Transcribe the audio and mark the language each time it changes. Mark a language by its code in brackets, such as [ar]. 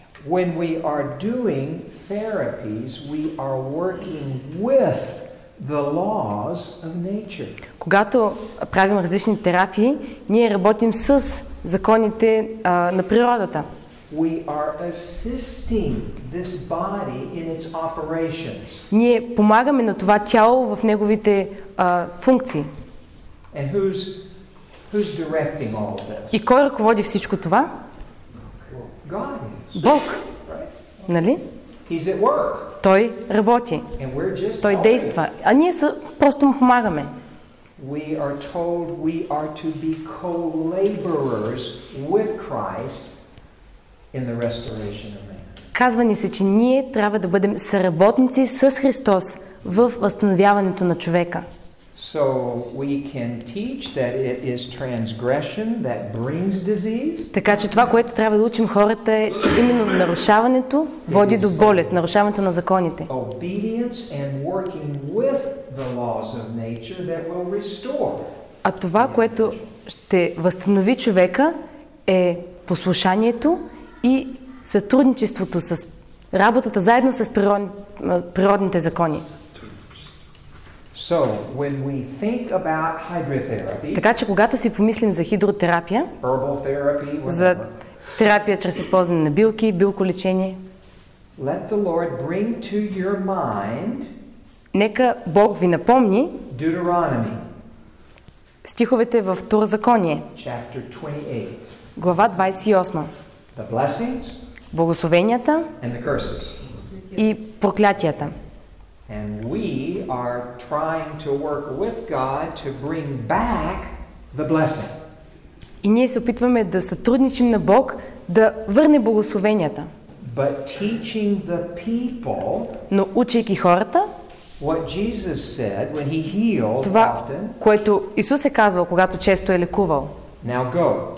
[en] When we are doing therapies, we are working with the laws of nature. [bg] Когато правим различни терапии, ние работим с законите на природата. [en] We are assisting this body in its operations. [bg] Ние помагаме на това тяло в неговите функции. [en] And who's directing all of this? [bg] И кой ръководи всичко това? [en] God. [bg] Бог. Нали? [en] He's at work. [bg] Той работи. [en] And we're just [bg] Той действа. А ние просто му помагаме. [en] We are told we are to be co-laborers with Christ in the restoration of man. [bg] Казва ни се, че ние трябва да бъдем съработници с Христос в възстановяването на човека. [en] So we can teach that it is transgression that brings disease. [bg] Така че това, което трябва да учим хората, е, че именно нарушаването води до болест, нарушаването на законите. [en] Obedience and working with the laws of nature that will restore. [bg] А това, което ще възстанови човека, е послушанието и сътрудничеството с работата заедно с природните закони. [en] So, when we think about hydrotherapy, [bg] така че когато си помислим за хидротерапия, [en] herbal therapy, [bg] за терапия чрез използване на билки, билколечение, [en] let the Lord bring to your mind, [bg] нека Бог ви напомни [en] Deuteronomy, [bg] стиховете във Второзаконие, [en] chapter 28, [bg] глава 28, [en] the blessings, [bg] благословенията [en] and the curses, [bg] и проклятията. [en] And we are trying to work with God to bring back the blessing. [bg] И ние се опитваме да сътрудничим на Бог да върне благословенията. [en] But teaching the people, [bg] но учейки хората, [en] what Jesus said when he healed, [bg] това, [en] often, [bg] което Исус е казвал, когато често е лекувал. [en] Now go.